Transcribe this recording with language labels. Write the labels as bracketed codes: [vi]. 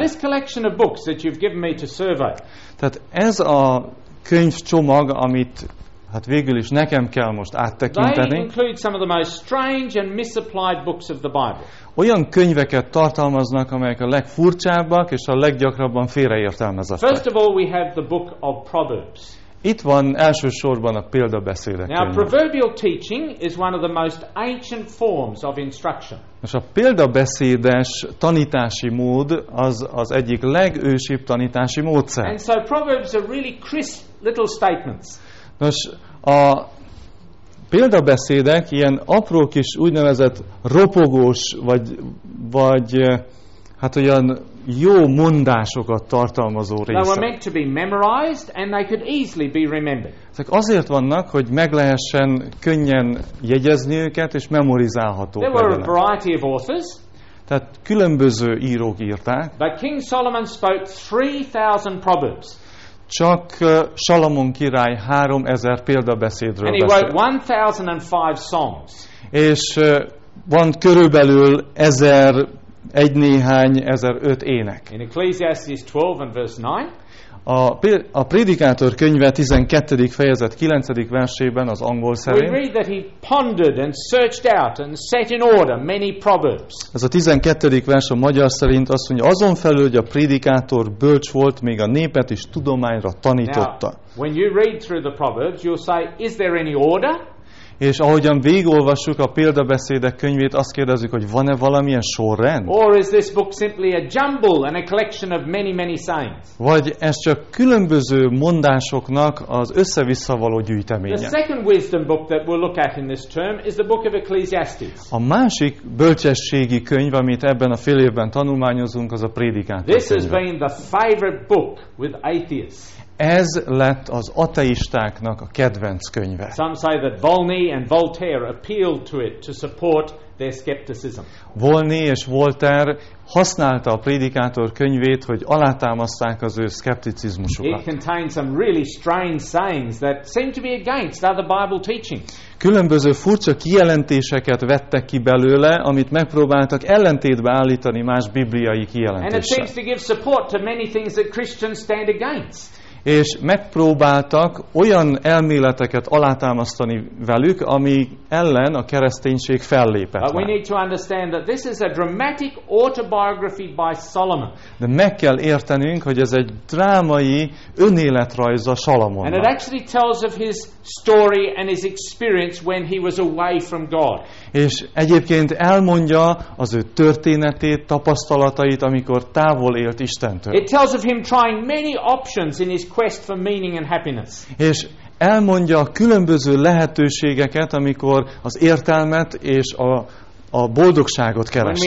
[en] Now this collection of books that you've given me to survey. [hu] Tehát ez a könyvcsomag, amit hát végül is nekem kell most áttekinteni. [en] They include some of the most strange and misapplied books of the Bible. [hu] Olyan könyveket tartalmaznak, amelyek a legfurcsábbak és a leggyakrabban félreértelmezettek. [en] First of all, we have the book of Proverbs. [hu] Itt van elsősorban a példabeszédek könyve. [en] Now, proverbial teaching is one of the most ancient forms of instruction. [hu] És a példabeszédes tanítási mód az az egyik legősibb tanítási módszer. [en] And so proverbs are really crisp little statements. [hu] Nos, a példabeszédek ilyen apró kis úgynevezett ropogós vagy hát olyan jó mondásokat tartalmazó részek. [en] They were meant to be memorized and they could easily be remembered. [hu] Ezek azért vannak, hogy meg lehessen könnyen jegyezni őket és memorizálhatók legyenek. [en] There were a variety of authors. [hu] Tehát különböző írók írták. [en] But King Solomon spoke 3000 proverbs. [hu] Csak Salamon király 3000 példabeszédről beszélt. [en] And he wrote 1005 songs. [hu] És van körülbelül 1000 egy néhány ezer öt ének. [en] In Ecclesiastes 12 and verse 9. [hu] A prédikátor könyve 12. fejezet 9. versében az angol szerint. [en] We read that he pondered and searched out and set in order many proverbs. [hu] Ez a 12. vers a magyar szerint azt mondja, azon felül, hogy a prédikátor bölcs volt, még a népet is tudományra tanította. [en] Now, when you read through the proverbs, you'll say, is there any order? [hu] És ahogyan végigolvassuk a példabeszédek könyvét, azt kérdezzük, hogy van-e valamilyen sorrend? [en] Or is this book simply a jumble and a collection of many, many sayings? [hu] Vagy ez csak különböző mondásoknak az össze-vissza való gyűjteménye? [en] The second wisdom book that we'll look at in this term is the book of Ecclesiastes. [hu] A másik bölcsességi könyv, amit ebben a fél évben tanulmányozunk, az a prédikátor könyve. [en] This has been the favorite book with atheists. [hu] Ez lett az ateistáknak a kedvenc könyve. [en] Some say that Volney and Voltaire appealed to it to support their skepticism. [hu] Volney és Voltaire használta a prédikátor könyvét, hogy alátámaszták az ő szkepticizmusukat. [en] It contains some really strange sayings that seem to be against other Bible teachings. [hu] Különböző furcsa kijelentéseket vettek ki belőle, amit megpróbáltak ellentétbe állítani más bibliai kijelentéssel. [en] And it seems to give support to many things that Christians stand against. [hu] És megpróbáltak olyan elméleteket alátámasztani velük, ami ellen a kereszténység fellépett. [en] But we need to understand that this is a dramatic autobiography by Solomon. [hu] De meg kell értenünk, hogy ez egy drámai önéletrajza Salamonnak. [en] And it actually tells of his story and his experience when he was away from God. [hu] És egyébként elmondja az ő történetét, tapasztalatait, amikor távol élt Istentől. [en] It tells of him trying many options in his quest for meaning and happiness. [hu] És elmondja a különböző lehetőségeket, amikor az értelmet és a boldogságot kereste.